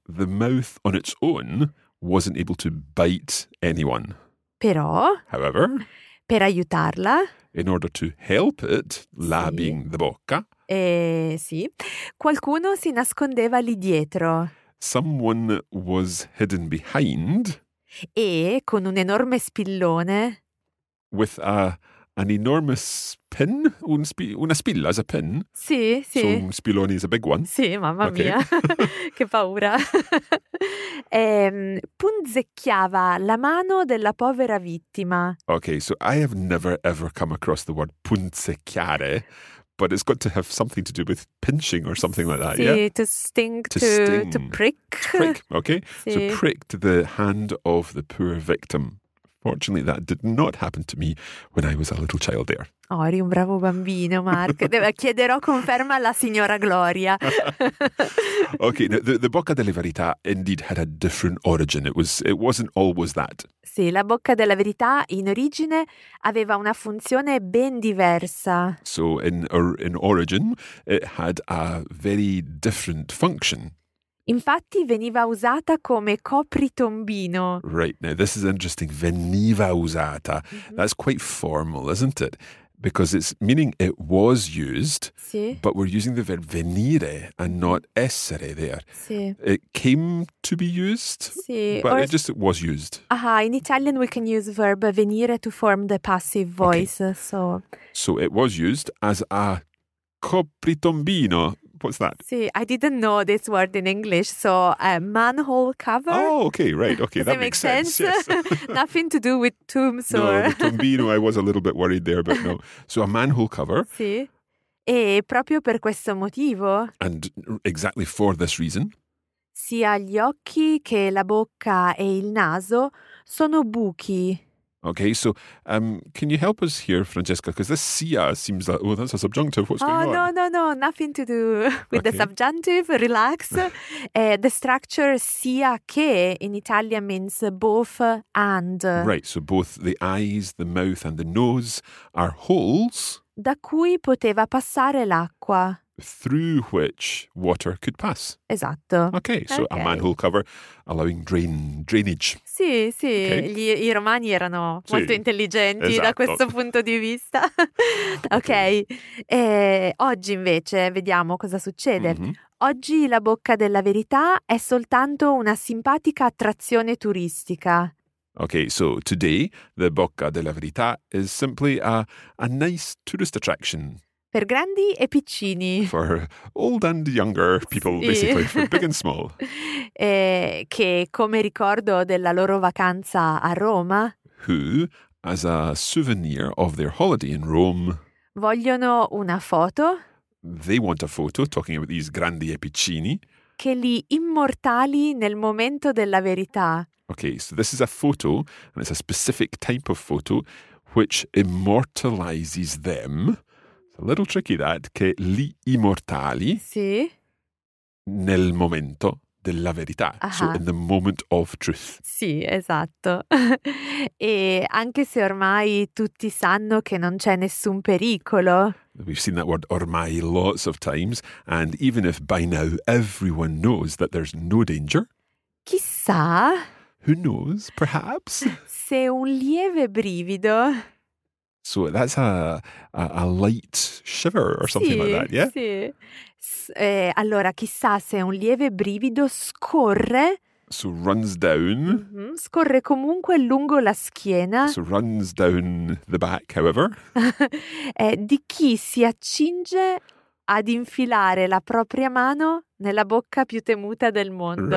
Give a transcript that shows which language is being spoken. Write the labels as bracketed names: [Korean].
[English] The mouth on its own wasn't able to bite anyone. [Italian] Però, [English] however, [Italian] per aiutarla, [English] in order to help it, la [Italian] sì. [English] being the bocca. [Italian] Sì. Qualcuno si nascondeva lì dietro. [English] Someone was hidden behind. [Italian] E con un enorme spillone. [English] With an enormous pin? [Italian] Una spilla [English] is a pin. [Italian] Sì, sì. [English] So un spillone is a big one. [Italian] Sì, mamma okay. mia. Che paura. punzecchiava la mano della povera vittima. [English] Okay, so I have never ever come across the word punzecchiare, but it's got to have something to do with pinching or something like that, [Italian] sì, [English] yeah? To sting, to prick. To prick, okay. [Italian] Sì. [English] So pricked the hand of the poor victim. Fortunately, that did not happen to me when I was a little child there. [Italian] Oh, eri un bravo bambino, Mark. Chiederò conferma alla signora Gloria. [English] Okay, now, the bocca delle verità indeed had a different origin. It wasn't always that. [Italian] Sì, la bocca della verità in origine aveva una funzione ben diversa. [English] So, in origin, it had a very different function. [Italian] Infatti veniva usata come copritombino. [English] Right, now this is interesting. [Italian] Veniva usata. [English] Mm-hmm. That's quite formal, isn't it? Because it's meaning it was used, [Italian] sì. [English] but we're using the verb venire and not essere there. [Italian] Sì. [English] It came to be used, [Italian] sì. [English] but or, it just was used. Aha, in Italian we can use verb venire to form the passive voice. Okay. So. So it was used as a copritombino. What's that? See, I didn't know this word in English, so a manhole cover. Oh, okay, right, okay, that makes sense. Yes. Nothing to do with tombs no, or... No, the tombino, I was a little bit worried there, but no. So a manhole cover. [Italian] Sì, e proprio per questo motivo... [English] And exactly for this reason. [Italian] Sia gli occhi che la bocca e il naso sono buchi. [English] Okay, so can you help us here, Francesca? Because this sia seems like, oh, that's a subjunctive. What's going on? Oh, no, nothing to do with okay. the subjunctive. Relax. The structure sia che in Italian means both and. Right, so both the eyes, the mouth and the nose are holes. [Italian] Da cui poteva passare l'acqua. [English] through which water could pass. [Italian] Esatto. [English] Ok, so okay. A manhole cover allowing drainage. [Italian] Sì, sì, okay. I romani erano sì, molto intelligenti, esatto, da questo punto di vista. [English] Okay. [Italian] Ok, e oggi invece vediamo cosa succede. Mm-hmm. Oggi la bocca della verità è soltanto una simpatica attrazione turistica. [English] Okay, so today the Bocca della Verità is simply a nice tourist attraction. [Italian] Per grandi e piccini. [English] For old and younger people, [Italian] sì, [English] basically, for big and small. [Italian] E che, come ricordo della loro vacanza a Roma, [English] who, as a souvenir of their holiday in Rome, [Italian] vogliono una foto. [English] They want a photo, talking about these [Italian] grandi e piccini. Che li immortali nel momento della verità. [English] Okay, so this is a photo, and it's a specific type of photo, which immortalizes them. It's a little tricky that, [Italian] che li immortali, sì, nel momento della verità, aha, [English] so in the moment of truth. [Italian] Sì, esatto. E anche se ormai tutti sanno che non c'è nessun pericolo. [English] We've seen that word ormai lots of times, and even if by now everyone knows that there's no danger. [Italian] Chissà. [English] Who knows, perhaps? [Italian] Se un lieve brivido. [English] So that's a light shiver or something, [Italian] sì, [English] like that, yeah? [Italian] Sì. Allora, chissà se un lieve brivido scorre. [English] So runs down. Mm-hmm. [Italian] Scorre comunque lungo la schiena. [English] So runs down the back, however. [Italian] di chi si accinge ad infilare la propria mano nella bocca più temuta del mondo.